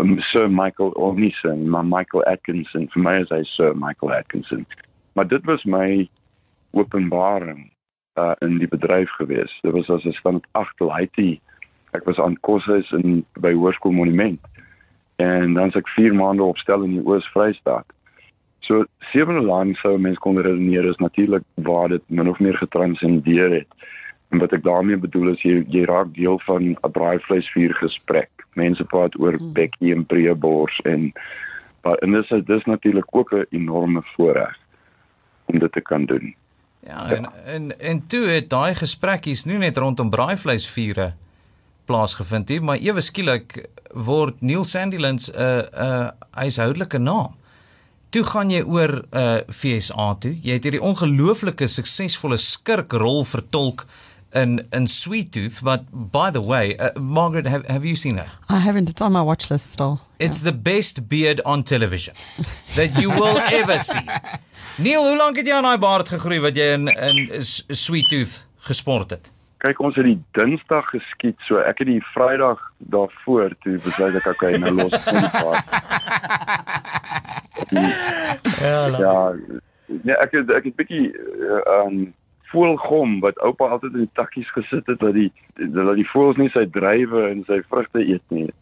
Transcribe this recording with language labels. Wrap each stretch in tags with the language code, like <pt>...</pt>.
<af>Sir Michael, of nie Sir, maar Michael Atkinson, vir my is hy Sir Michael Atkinson, maar dit was my openbaring in die bedryf gewees, dit was as 'n stand 8 laity, ek was aan koshuis in, by Hoërskool Monument, en dan is ek 4 maande op stel in die Oos-Vrystaat. So, 7e laan, so mens kon redeneer, is natuurlijk waar dit min of meer getransendeer het. En wat ek daarmee bedoel is, jy raak deel van 'n braaivleisvuur gesprek. Mense praat oor bekkie en breebors en maar en dis natuurlik ook 'n enorme voorreg om dit te kan doen. Ja, en toe het daai gesprekkies nie net rondom braaivleisvure plaasgevind hier, maar ewe skielik word Neil Sandilands 'n huishoudelike naam. Toe gaan jy oor VSA toe. Jy het hierdie ongelooflike suksesvolle skurkrol vertolk in Sweet Tooth,</af> <en>but by the way, Margaret, have you seen that? I haven't. It's on my watch list still. It's the best beard on television that you will ever see.</en> <af>Neil, hoe lang het jy aan daai baard gegroei wat jy in Sweet Tooth gesport het? Kyk, ons het die Dinsdag geskiet, so ek het die Vrydag daarvoor toe besluit ek okay, nou los ek die baard. Ja, ek het bietjie voelgom wat oupa altyd in die takkies gesit het dat die voels nie sy druiwe en sy vrugte eet nie.</af>